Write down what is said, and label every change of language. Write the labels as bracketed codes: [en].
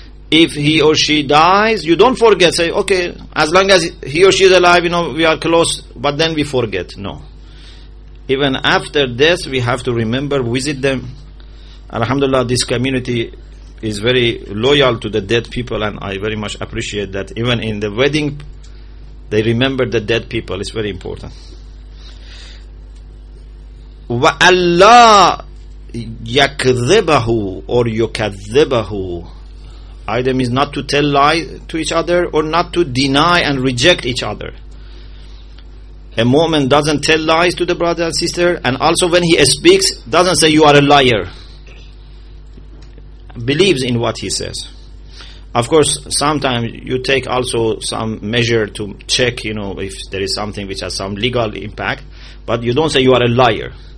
[en] If he or she dies, you don't forget. Say, okay, as long as he or she is alive, you know, we are close, but then we forget. No. Even after death, we have to remember, visit them. Alhamdulillah, this community is very loyal to the dead people, and I very much appreciate that. Even in the wedding, they remember the dead people. It's very important. [ar] وَأَلَّا يَكْذِبَهُ or يُكَذِّبَهُ. [en] Either means not to tell lie to each other or not to deny and reject each other. A mu'min doesn't tell lies to the brother and sister, and also when he speaks, doesn't say you are a liar. Believes in what he says. Of course, sometimes you take also some measure to check, you know, if there is something which has some legal impact, but you don't say you are a liar.